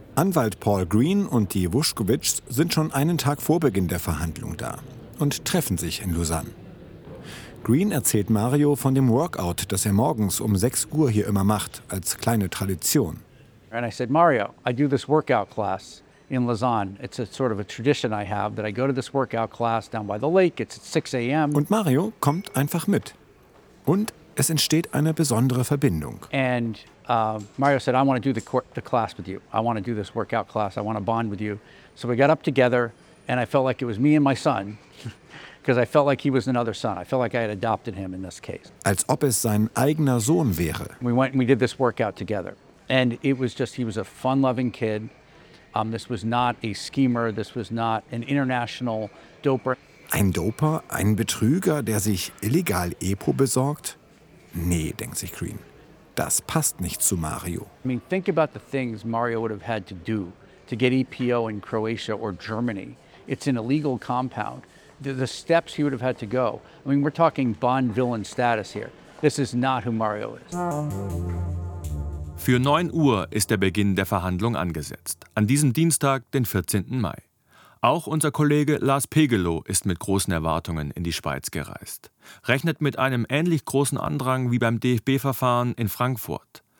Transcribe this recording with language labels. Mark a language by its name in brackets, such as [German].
[German] Anwalt Paul Green und die Vuskovics sind schon einen Tag vor Beginn der Verhandlung da und treffen sich in Lausanne. Green erzählt Mario von dem Workout, das er morgens um 6 Uhr hier immer macht, als kleine Tradition. [English] And I said, Mario, I do this workout class in Lausanne. It's a sort of a tradition I have that I go to this workout class down by the lake. It's at 6 a.m. [German] Und Mario kommt einfach mit. Und es entsteht eine besondere Verbindung. [English] And Mario said, I want to do the class with you. I want to do this workout class. I want to bond with you. So we got up together and I felt like it was me and my son, because I felt like he was another son. I felt like I had adopted him in this case. [German] Als ob es sein eigener Sohn wäre. [English] We went and we did this workout together. And it was just, he was a fun-loving kid. This was not a schemer. This was not an international doper. [German] Ein Doper? Ein Betrüger, der sich illegal Epo besorgt? Nee, denkt sich Green. Das passt nicht zu Mario. [English] I mean, think about the things Mario would have had to do to get EPO in Croatia or Germany It's an illegal compound. The steps he would have had to go. I mean, we're talking Bond villain status here. This is not who Mario is. [German] Für 9 Uhr ist der Beginn der Verhandlung angesetzt. An diesem Dienstag, den 14. Mai. Auch unser Kollege Lars Pegelow ist mit großen Erwartungen in die Schweiz gereist. Rechnet mit einem ähnlich großen Andrang wie beim DFB-Verfahren in Frankfurt.